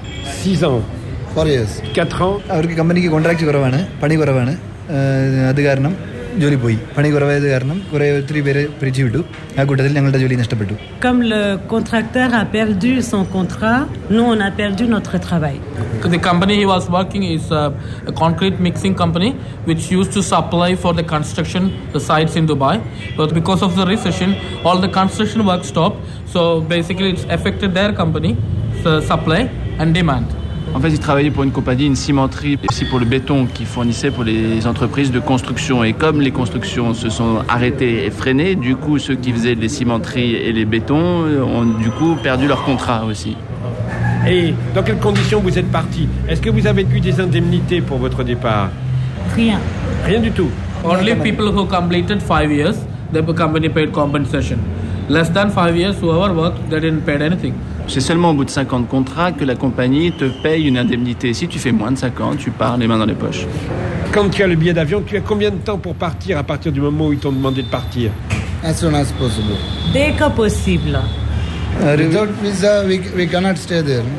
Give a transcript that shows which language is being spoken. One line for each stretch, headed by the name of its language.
French: 6 ans.
English: 4 years.
French: 4 ans. Avec la compagnie qui contracte sur Ravana, Pani Ravana, Adigarnam. Comme le contracteur a perdu son contrat, nous on a perdu notre travail.
English: The company he was working is a concrete mixing company which used to supply for the construction the sites in Dubai. But because of the recession, all the construction work stopped. So basically it's affected their company, the supply and demand.
French: En fait, ils travaillaient pour une compagnie, une cimenterie, et aussi pour le béton qu'ils fournissaient pour les entreprises de construction. Et comme les constructions se sont arrêtées et freinées, du coup, ceux qui faisaient les cimenteries et les bétons ont du coup perdu leur contrat aussi. Et dans quelles conditions vous êtes parti? Est-ce que vous avez eu des indemnités pour votre départ? Rien. Rien du tout.
English: Only people who completed 5 years, the company paid compensation. Less than 5 years, whoever worked, they didn't pay anything.
French: C'est seulement au bout de 5 ans de contrat que la compagnie te paye une indemnité. Si tu fais moins de 5 ans, tu pars les mains dans les poches. Quand tu as le billet d'avion, tu as combien de temps pour partir à partir du moment où ils t'ont demandé de partir?
English: As soon as possible.
French: Dès que possible.
English: Without visa, we cannot stay there.